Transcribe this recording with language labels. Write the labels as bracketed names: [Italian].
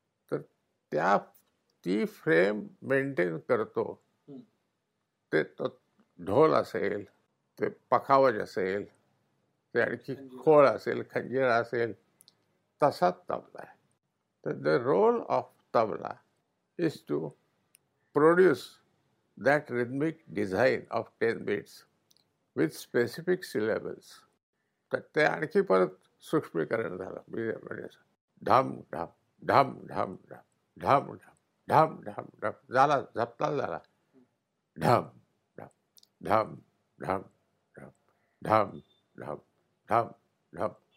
[Marathi] तर त्या ती फ्रेम मेंटेन करतो ते तो ढोल असेल, ते पखावज असेल, ते आणखी खोळ असेल, खंजीर असेल, तसाच तबला आहे. तर [English] The role of tabla is to produce that rhythmic design of 10 beats with specific syllables. [Marathi] तर ते आणखी परत सूक्ष्मीकरण झालं म्हणजे म्हणजे असं ढम ढम ढम ढम ढम ढम ढम ढम ढम ढम झाला झपताल झाला ढम ढम ढम ढम ढम ढम ढम ढम ढम